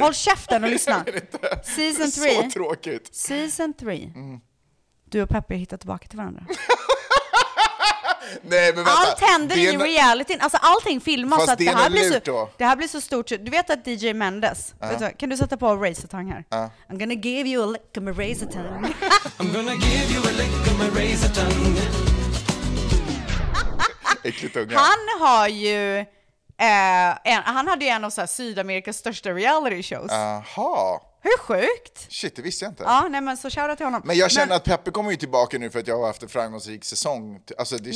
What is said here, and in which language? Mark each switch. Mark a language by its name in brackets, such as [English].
[Swedish] Håll käften och lyssna. Season 3. Så tråkigt. [English] Season 3. [Swedish] Du och Peppe hittar tillbaka till varandra. Nej, men vänta. Allt händer i realityn. Alltså allting filmas. Fast det här blir så, det här blir så stort. Du vet att DJ Mendes, kan du sätta på Razor-tang här? [English] I'm gonna give you a lick of my Razor-tang. I'm gonna give you a lick of my Razor-tang. [Swedish] Äckligt unga. Han har ju han hade ju en av så här Sydamerikas största reality shows. Aha. Hur sjukt. Shit, det visste jag inte. Ja, nej, men så shoutout till honom. Men jag känner att Peppe kommer ju tillbaka nu för att jag har haft en framgångsrik säsong. Alltså det känns